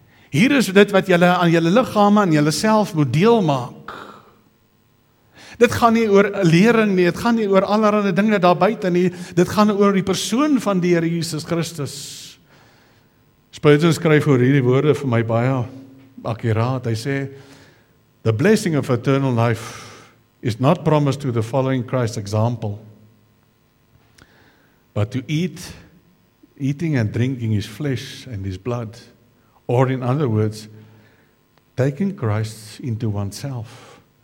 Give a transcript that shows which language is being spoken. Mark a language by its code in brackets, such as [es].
[af] Hier is dit wat julle aan julle liggame en julle self moet deel maak. Dit gaan nie oor lering nie, dit gaan nie oor allerlei dinge daar buiten nie, dit gaan oor die persoon van die Here Jesus Christus. Spurgeon skryf oor hierdie woorde vir my baie akkuraat, hy sê, [en] the blessing of eternal life is not promised to the following Christ example, but to eating and drinking his flesh and his blood, or in other words, taking Christ into oneself.